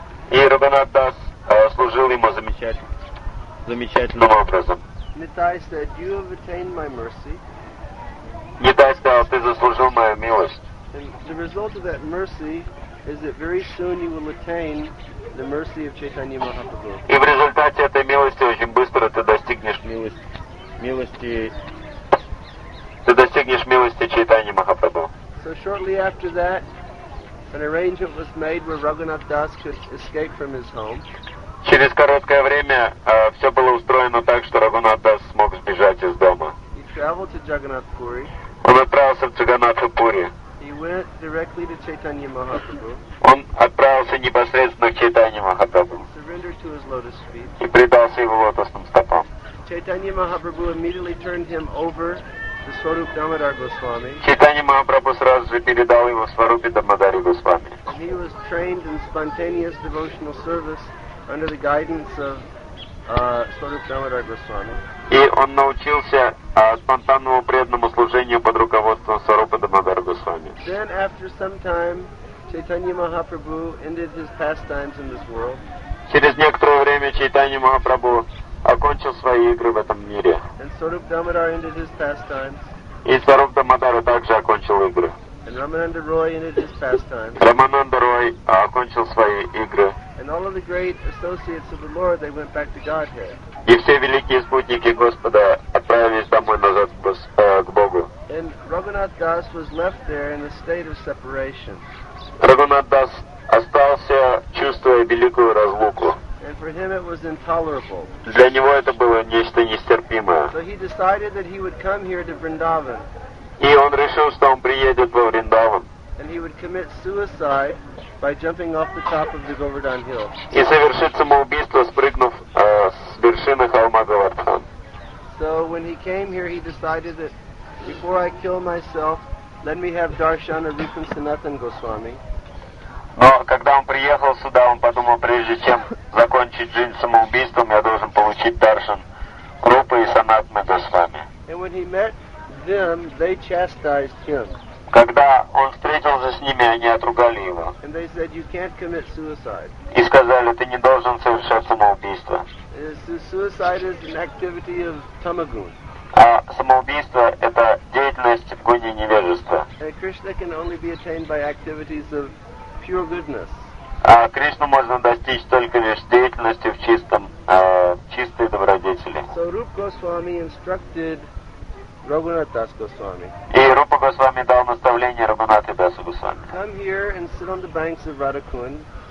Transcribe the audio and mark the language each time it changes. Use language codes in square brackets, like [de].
[ru] И Рагунатх Дас служил ему замечательным образом. [en] Нитай said, you have attained my mercy. [ru] Нитай сказал, ты заслужил мою милость. [en] And the result of that mercy is that very soon you will attain the mercy of Chaitanya Mahaprabhu. [ru] И в результате этой милости очень быстро ты достигнешь милости Чайтаньи Махапрабху. [en] So shortly after that, an arrangement was made where Raghunath Das could escape from his home. [ru] Через короткое время все было устроено так, что Рагунат Дас смог сбежать из дома. [en] He traveled to Jagannath Puri. [ru] Он отправился в Джаганнатху Пури. [en] He went directly to Chaitanya Mahaprabhu. [ru] Он отправился непосредственно к Чайтанье Махапрабху. [en] Surrendered to his lotus feet. [ru] И предался его лотосным стопам. [en] Chaitanya Mahaprabhu immediately turned him over to Swarup Damodar Goswami. [ru] Chaitanya Mahaprabhu сразу же передал его Сварупе Дамодаре Госвами. [en] He was trained in spontaneous devotional service under the guidance of Swarup Damodar Goswami. [ru] И он научился спонтанному преданному служению под руководством Сварупа Дамодара Госвами. [en] Then after some time, Chaitanya Mahaprabhu ended his pastimes in this world. [ru] Через некоторое время Чайтанья Махапрабху окончил свои игры в этом мире. [en] And Swarup Damodar ended his pastimes. [ru] И Сварупа Дамодара также окончил игры. [en] And Ramananda Roy ended his pastimes. [ru] Рамананда Рой окончил свои игры. [en] And all of the great associates of the Lord, they went back to Godhead. [ru] И все великие спутники Господа отправились домой назад к Богу. [en] And Raghunath Das was left there in a state of separation. [ru] Рагунат Дас остался, чувствуя великую разлуку. [en] And for him it was intolerable. [ru] Для него это было нечто нестерпимое. [en] So he decided that he would come here to Vrindavan. [ru] И он решил, что он приедет во Вриндаван. [en] And he would commit suicide by jumping off the top of the Govardhan Hill. [ru] И совершит самоубийство, спрыгнув с вершины холма Говардхан. [en] So when he came here, he decided that before I kill myself, let me have darshan of Rupam Sanatan Goswami. [ru] Но когда он приехал сюда, он подумал, прежде чем закончить жизнь самоубийством, я должен получить даршан Рупы и Санатаны Госвами. [en] And when he met them, they chastised him. [ru] Когда он встретился с ними, они отругали его. [en] And they said, you can't commit suicide. [ru] И сказали, ты не должен совершать самоубийство. [en] Suicide is an activity of tamagun. [ru] А самоубийство — это деятельность в гуне невежества. [en] And Krishna can only be attained by activities of pure goodness. [ru] А Кришну можно достичь только лишь деятельностью в чистом, чистой добродетели. [en] So Rupa Goswami instructed Raghunath Das Goswami. [ru] И Рупа Госвами дал наставление Рагунатхе Дасу Госвами. [en] Come here and sit on the banks of Radhakund.